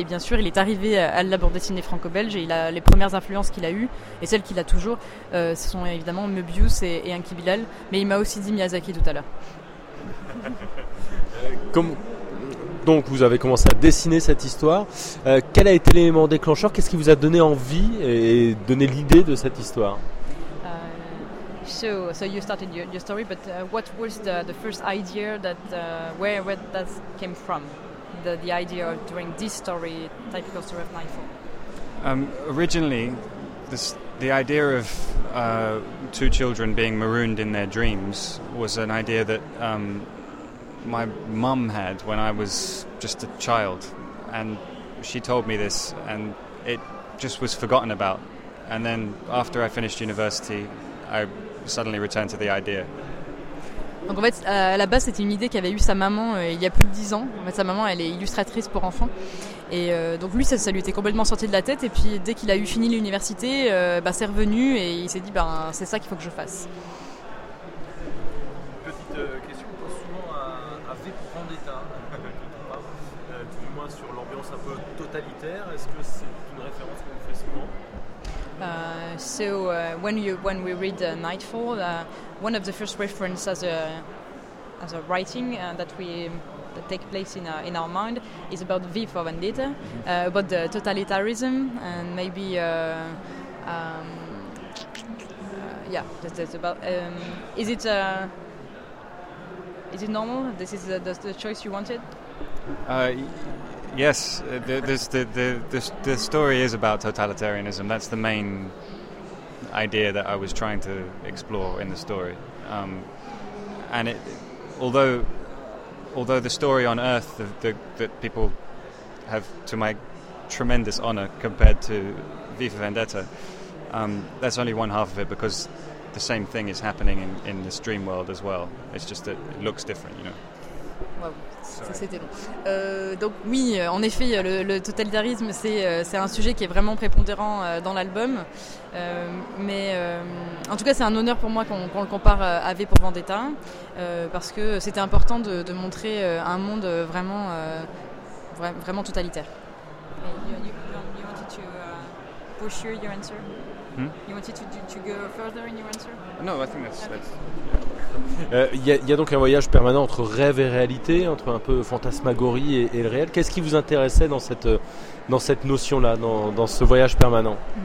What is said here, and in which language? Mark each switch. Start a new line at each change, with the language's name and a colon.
French: Et bien sûr, il est arrivé à la bande dessinée franco-belge et les premières influences qu'il a eues et celles qu'il a toujours, ce sont évidemment Mobius et Enki Bilal. Mais il m'a aussi dit Miyazaki tout à l'heure. Donc vous avez commencé à dessiner cette histoire. Quel a été l'élément déclencheur? Qu'est-ce qui vous a donné envie et donné l'idée de cette histoire?
English: So you started your story, but what was the first idea that where that came from, the idea of doing this story, typical story of Nightfall? Originally, the idea of two children being marooned in their dreams was an idea that my mum had when I was just a child, and she told me this, and it just was forgotten about. And then after I finished university, I suddenly returned to the idea.
French: Donc en fait, à la base, c'était une idée qu'avait eu sa maman il y a plus de 10 ans. En fait, sa maman, elle est illustratrice pour enfants. Et donc lui, ça lui était complètement sorti de la tête. Et puis dès qu'il a eu fini l'université, c'est revenu et il s'est dit, c'est ça qu'il faut que je fasse. Petite question, on pense souvent à V pour Vendetta, tout du moins sur l'ambiance un peu totalitaire. Est-ce que c'est une référence qu'on fait souvent?
English: So when we read Nightfall, one of the first references as a writing that take place in our mind is about V for Vendetta, about the totalitarianism, and maybe that's about is it normal? This is the choice you wanted. Yes, the story is about totalitarianism. That's the main idea that I was trying to explore in the story. And although the story on Earth that people have, to my tremendous honor, compared to V for Vendetta, that's only one half of it, because the same thing is happening in this dream world as well. It's just that it looks different, you know.
French: Wow. C'était long. Donc oui, en effet, le totalitarisme, c'est un sujet qui est vraiment prépondérant dans l'album. Mais en tout cas, c'est un honneur pour moi qu'on le compare à V pour Vendetta, parce que c'était important de montrer un monde vraiment, vraiment totalitaire.
English: You wanted to push your answer. You wanted to go further in your answer. No, I think that's...
French: Il y a donc un voyage permanent entre rêve et réalité, entre un peu fantasmagorie et le réel. Qu'est-ce qui vous intéressait dans cette notion-là, dans ce voyage permanent?